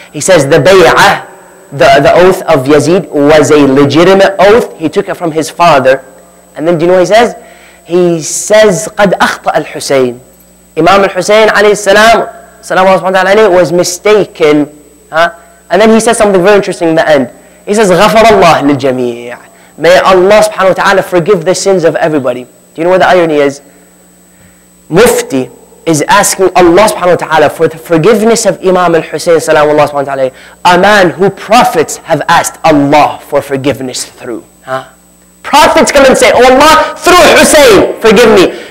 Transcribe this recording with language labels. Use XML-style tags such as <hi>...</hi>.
<en>He says the bay'ah, the oath of Yazid was a legitimate oath. He took it from his father. And then do you know what he says? He says, Qad akhta' al-Husayn. Imam al-Husayn alayhi salam, salam Allah subhanahu wa ta'ala, was mistaken. And then he says something very interesting in the end. He says,</en> <ar>غَفَرَ اللَّهِ لِلْجَمِيعِ.</ar> <en>May Allah subhanahu wa ta'ala forgive the sins of everybody. Do you know what the irony is? Mufti is asking Allah subhanahu wa ta'ala for the forgiveness of Imam al-Husayn, salam Allah subhanahu wa ta'ala, a man who prophets have asked Allah for forgiveness through. Prophets come and say, oh Allah, through Husayn, forgive me.</en>